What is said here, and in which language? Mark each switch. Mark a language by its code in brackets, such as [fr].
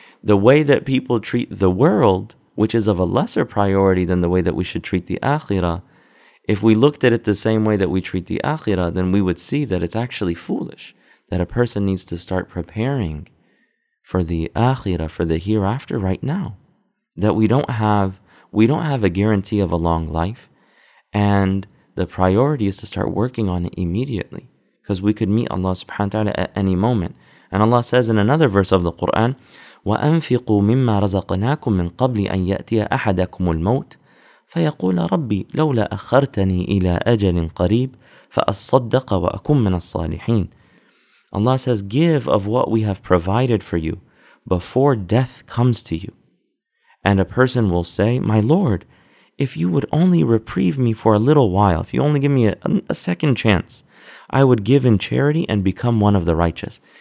[en] The way that people treat the world, which is of a lesser priority than the way that we should treat the akhirah, if we looked at it the same way that we treat the akhirah, then we would see that it's actually foolish, that a person needs to start preparing for the akhirah, for the hereafter right now. That we don't have a guarantee of a long life, and the priority is to start working on it immediately, because we could meet Allah subhanahu wa ta'ala at any moment. [ar] And Allah says in another verse of the Quran, وَأَنْفِقُوا مِمَّا رَزَقْنَاكُمْ مِنْ قَبْلِ أَنْ يَأْتِيَ أَحَدَكُمُ الْمَوْتِ فَيَقُولَ رَبِّي لَوْلَا أَخَّرْتَنِي إِلَىٰ أَجَلٍ قَرِيبٍ فَأَصَّدَّقَ وَأَكُمْ مِنَ الصَّالِحِينَ. [en] Allah says, give of what we have provided for you before death comes to you. And a person will say, my Lord, if you would only reprieve me for a little while, if you only give me a second chance, I would give in charity and become one of the righteous.